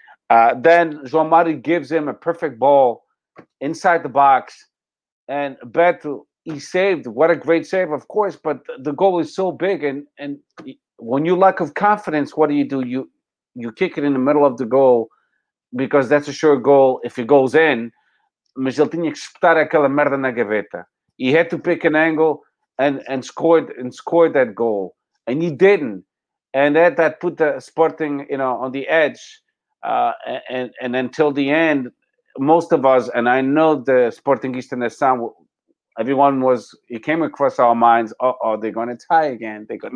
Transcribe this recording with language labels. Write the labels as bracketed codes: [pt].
[en] Then João Mário gives him a perfect ball inside the box. And Beto, he saved. What a great save, of course. But the goal is so big. And when you lack of confidence, what do? You kick it in the middle of the goal because that's a sure goal if it goes in. [pt] Mas ele tinha que espetar aquela merda na gaveta. [en] He had to pick an angle and scored that goal. And he didn't. And that put the Sporting, you know, on the edge. And until the end, most of us, and I know the Sportingista Nação, everyone was, it came across our minds, uh-oh, they're going to tie again.